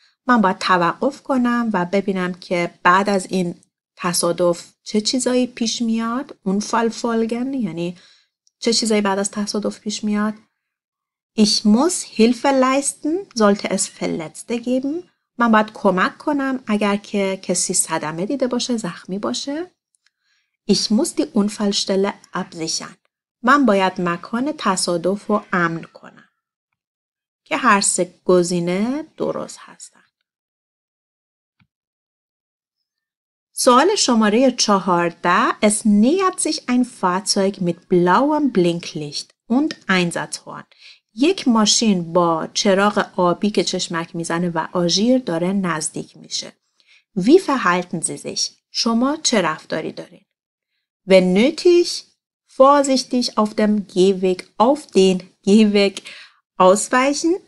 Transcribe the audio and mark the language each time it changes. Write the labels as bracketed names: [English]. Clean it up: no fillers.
[Persian] من باید توقف کنم و ببینم که بعد از این تصادف چه چیزایی پیش میاد. Unfallfolgen یعنی چه چیزایی بعد از تصادف پیش میاد؟ [German] Ich muss Hilfe leisten, sollte es Verletzte geben. [Persian] من باید کمک کنم اگر که کسی صدمه دیده باشه، زخمی باشه. [German] Ich muss die Unfallstelle absichern. [Persian] من باید مکان تصادف رو امن کنم. که هر سه گزینه درست هستن. سوال شماره 14. [German] Es nähert sich ein Fahrzeug mit blauem Blinklicht und Einsatzhorn. [Persian] یک ماشین با چراغ آبی که چشمک میزنه و آژیر داره نزدیک میشه. [German] Wie verhalten Sie sich? [Persian] شما چه رفتاری دارین؟ [German] Wenn nötig, vorsichtig auf dem Gehweg, auf den Gehweg ausweichen.